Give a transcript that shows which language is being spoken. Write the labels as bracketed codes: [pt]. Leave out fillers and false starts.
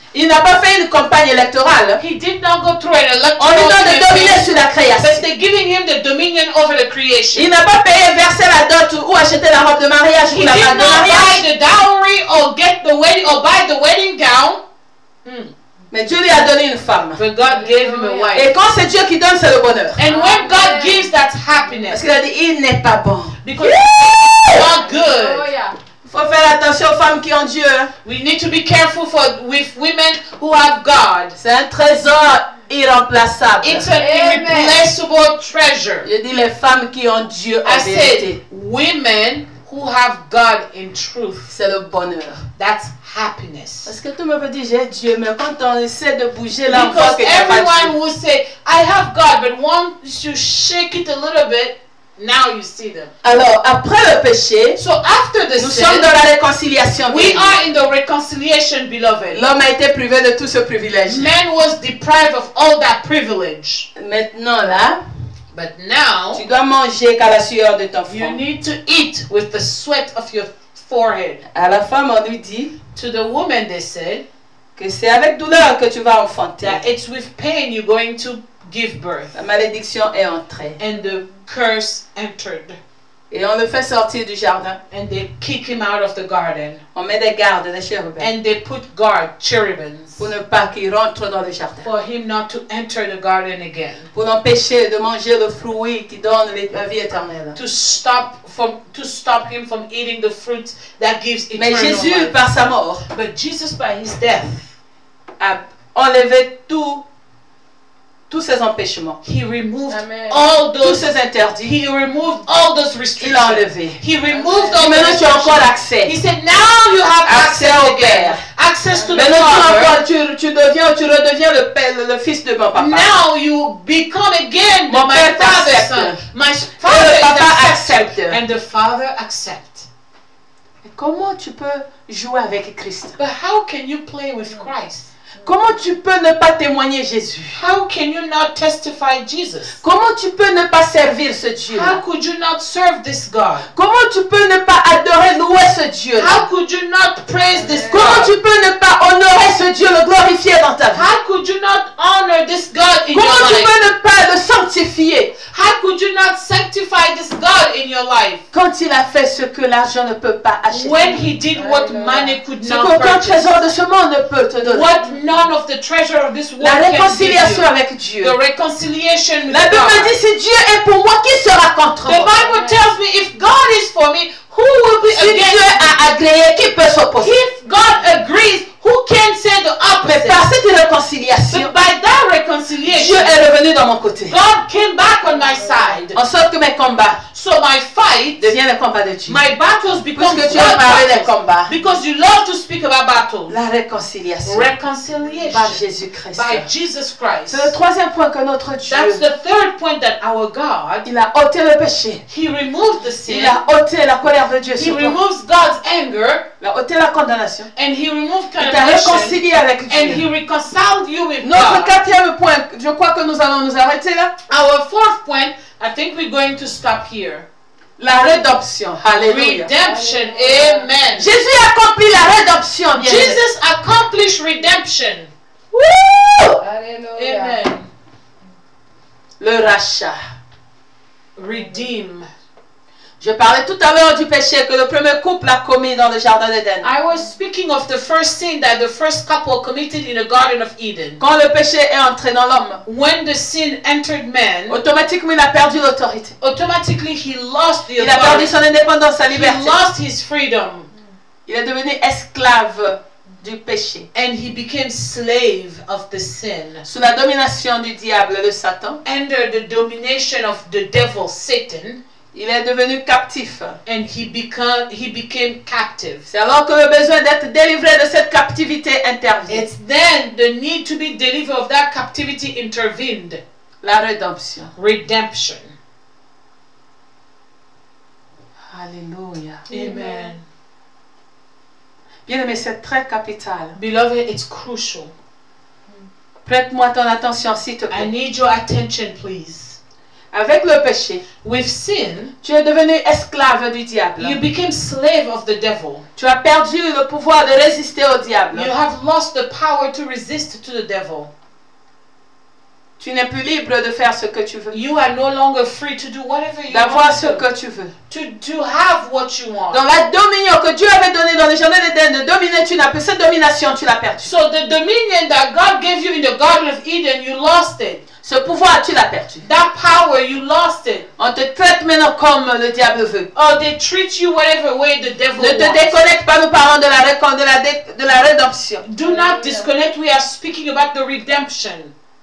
[fr] Il n'a pas fait une campagne électorale. [en] He did not go through an electoral campaign. [fr] On lui donne le dominion sur la création. [en] But they're giving him the dominion over the creation. [fr] Il n'a pas payé, versé la dot ou acheté la robe de mariage pour la mariage. [en] He did not buy the dowry or get the wedding or buy the wedding gown. [fr] Mais Dieu lui a donné une femme. [en] But God gave him a wife. [fr] Et quand c'est Dieu qui donne, c'est le bonheur. [en] And when God gives, that's happiness. [fr] Parce qu'il a dit, il n'est pas bon. [en] Because it's not good. Oh, yeah. [fr] Faut faire attention aux femmes qui ont Dieu. [en] We need to be careful for with women who have God. [fr] C'est un trésor irremplaçable. [en] It's an irreplaceable treasure. [fr] Je dis les femmes qui ont Dieu en vérité. [en] I said women who have God in truth. [fr] C'est le bonheur. [en] That's happiness. [fr] Parce que tout le monde dit j'ai Dieu, mais quand on essaie de bouger là, [en] because everyone will say I have God, but once you shake it a little bit. Now you see them. [fr] Alors, après le péché, [en] so after the [fr] nous [en] sin, [fr] sommes dans la réconciliation. [en] We are in the reconciliation, beloved. [fr] L'homme a été privé de tout ce privilège. [en] Man was deprived of all that privilege. [fr] Maintenant là, [en] but now, [fr] tu dois manger qu'à la sueur de ton front. [en] You need to eat with the sweat of your forehead. [fr] À la femme, on lui dit, [en] to the woman, they said, [fr] que c'est avec douleur que tu vas enfanter. [en] That it's with pain you're going to give birth. [fr] La malédiction est entrée. [en] And the curse entered. [fr] Et on le fait sortir du jardin. [en] And they kick him out of the garden. [fr] On met des gardes, des chérubins. [en] And they put guards, cherubims. [fr] Pour ne pas qu'il rentre dans le jardin. [en] For him not to enter the garden again. [fr] Pour l'empêcher de manger le fruit qui donne la vie éternelle. [en] To stop him from eating the fruit that gives eternal life. [fr] Mais Jésus [en] life. [fr] Par sa mort. [en] But Jesus by his death. [fr] A enlevé tout. Tous ces empêchements. [en] He removed all those, [fr] tous ces interdits. [en] He removed all those restrictions. [fr] Il a enlevé. [en] He removed all [fr] maintenant tu as encore accès. [en] He said, now you have [fr] accès au Père. [en] Access to [fr] maintenant [en] the Father. [fr] Tu redeviens le Père, le fils de mon papa. [en] Now you become again [fr] mon [en] my [fr] Père [en] son. My father [fr] et le papa accepte. [en] And the Father accepts. [fr] Comment tu peux jouer avec Christ? [en] But how can you play with Christ? [fr] Comment tu peux ne pas témoigner Jésus? [en] How can you not testify Jesus? [fr] Comment tu peux ne pas servir ce Dieu? [en] How could you not serve this God? [fr] Comment tu peux ne pas adorer, louer ce Dieu? [en] How could you not praise this God? [fr] Comment tu peux ne pas honorer ce Dieu, le glorifier dans ta vie? [en] How could you not honor this God in [fr] comment [en] your [fr] tu [en] life? [fr] Peux ne pas le sanctifier? [en] How could you not sanctify this God in your life? [fr] Quand il a fait ce que l'argent ne peut pas acheter. [en] When he did what money could not purchase. [fr] Ce qu'aucun trésor de ce monde ne peut te donner. [en] What none of the treasure of this world. [fr] La réconciliation avec Dieu. [en] The reconciliation with God. [fr] La Bible dit si Dieu est pour moi, qui sera contre moi? [en] The Bible tells me if God is for me, who will be [fr] si [en] against [fr] Dieu a agréé, qui peut s'opposer? [en] If God agrees, who can say the opposite? [fr] Mais par cette réconciliation, [en] but by that reconciliation, [fr] Dieu est revenu dans mon côté. [en] God came back on my side. [fr] En sorte que mes combats, [en] so my fight, [fr] devient le combat de Dieu. [en] My battles become [fr] puisque tu as parlé des combats. [en] Because you love to speak about battles. [fr] La réconciliation. [en] Reconciliation. [fr] Par Jésus Christ. [en] By Jesus Christ. [fr] C'est le troisième point que notre Dieu. [en] That's the third point that our God. [fr] Il a ôté le péché. [en] He removed the sin. [fr] Il a ôté la colère de Dieu. [en] He removes God's anger. [fr] Il a ôté la condamnation. [en] And he removed condemnation. [fr] Il t'a réconcilié avec Dieu. [en] And he reconciled you with [fr] notre [en] God. [fr] Notre quatrième point, je crois que nous allons nous arrêter là. [en] Our fourth point. I think we're going to stop here. [fr] La rédemption. Hallelujah. [en] Redemption. Amen. [fr] Jésus accomplit la rédemption. [en] Jesus accomplished redemption. Woo! Hallelujah. Amen. [fr] Le rachat. [en] Redeem. [fr] Je parlais tout à l'heure du péché que le premier couple a commis dans le jardin d'Eden. [en] I was speaking of the first sin that the first couple committed in the Garden of Eden. [fr] Quand le péché est entré dans l'homme, [en] when the sin entered man, [fr] automatiquement il a perdu l'autorité. [en] Automatically he lost the authority. [fr] Il a perdu son indépendance, sa liberté. [en] He lost his freedom. [fr] Il est devenu esclave du péché. [en] And he became slave of the sin. [fr] Sous la domination du diable, le Satan. [en] Under the domination of the devil, Satan. [fr] Il est devenu captif. [en] And he became captive. [fr] C'est alors que le besoin d'être délivré de cette captivité intervient. [en] It's then the need to be delivered of that captivity intervened. [fr] La rédemption. [en] Redemption. Hallelujah. Amen. [fr] Bien aimé, c'est très capital. [en] Beloved, it's crucial. [fr] Prête-moi ton attention, s'il te plaît. [en] I need your attention, please. [fr] avec le péché, [en] with sin, [fr] tu es devenu esclave du diable. [en] You became slave of the devil. [fr] Tu as perdu le pouvoir de résister au diable. [en] You have lost the power to resist to the devil. [fr] Tu n'es plus libre de faire ce que tu veux. [en] You are no longer free to do whatever you [fr] d'avoir [en] want [fr] ce que tu veux. [en] To have what you want. [fr] Dans la dominion que Dieu avait donné dans les jardins d'Éden, de dominer, tu n'as plus cette domination, tu l'as perdue. [en] So the dominion that God gave you in the Garden of Eden, you lost it. [fr] Ce pouvoir, tu l'as perdu. [en] That power, you lost it. [fr] On te traite maintenant comme le diable veut. [en] Oh, they treat you whatever way the devil [fr] ne te [en] wants. [fr] Déconnecte pas, nous parlons de la rédemption. [en] Do not disconnect. We are speaking about the redemption.